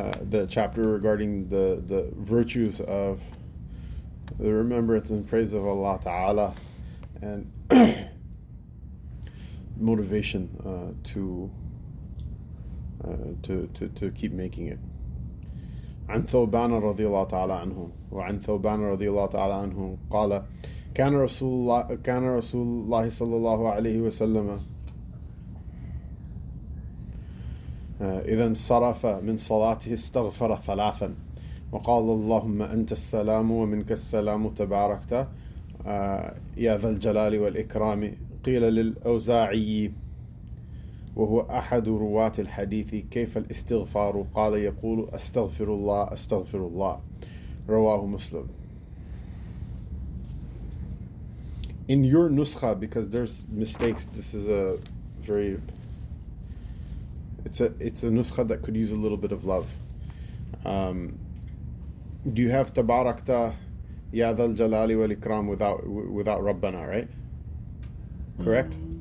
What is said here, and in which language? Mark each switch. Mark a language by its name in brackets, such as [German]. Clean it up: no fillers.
[English] The chapter regarding the virtues of the remembrance and praise of Allah Ta'ala and motivation to keep making it. [Arabic] عن ثوبان رضي الله تعالى عنه وعن ثوبان رضي الله تعالى عنه قال كان رسول الله صلى الله عليه وسلم إذا انصرف من صلاته استغفر ثلاثا وقال اللهم أنت السلام ومنك السلام تباركت يا ذا الجلال والإكرام قيل للأوزاعي وهو أحد رواة الحديث كيف الاستغفار قال يقول أستغفر الله أستغفر الله رواه مسلم. [English] In your nuskha, because there's mistakes, this is a very It's a nuskha that could use a little bit of love. Do you have tabarakta ya dhal jalali wal ikram without Rabbana, right? Correct?